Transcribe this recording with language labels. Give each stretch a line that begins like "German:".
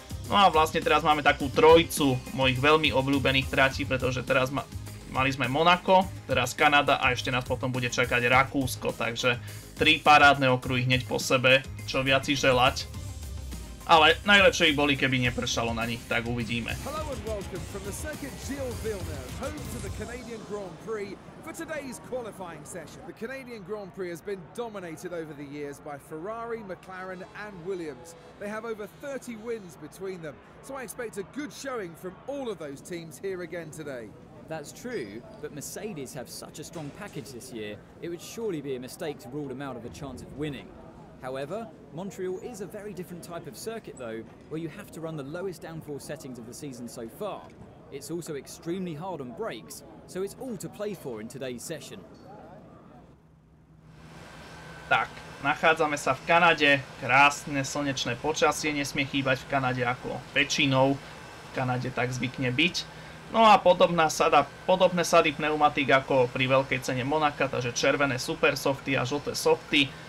Slovak: No a vlastne teraz máme takú trojicu mojich veľmi obľúbených tratí, pretože teraz mali sme Monako, teraz Kanada a ešte nás potom bude čakať Rakúsko, takže tri parádne okruhy hneď po sebe, čo viac si želať. Ale najlepšie by boli, keby nepršalo na nich, tak uvidíme.
English: Hello and welcome from the circuit Gilles Villeneuve, home to the Canadian Grand Prix for today's qualifying session. The Canadian Grand Prix has been dominated over the years by Ferrari, McLaren and Williams. They have over 30 wins between them, so I expect a good showing from all of those teams here again today. That's true, but Mercedes have such a strong package this year, it would surely be a mistake to rule them out of a chance of winning. However, Montreal is a very different type of circuit though, where you have to run the lowest downforce settings of the season so far. It's also extremely hard on brakes, so it's all to play for in today's session.
Slovak: Tak, nachádzame sa v Kanade, krásne slnečné počasie, nesmie chýbať v Kanade ako väčšinou, v Kanade tak zvykne byť. No a podobné sady pneumatík ako pri veľkej cene Monaka, takže červené supersofty a žlté softy.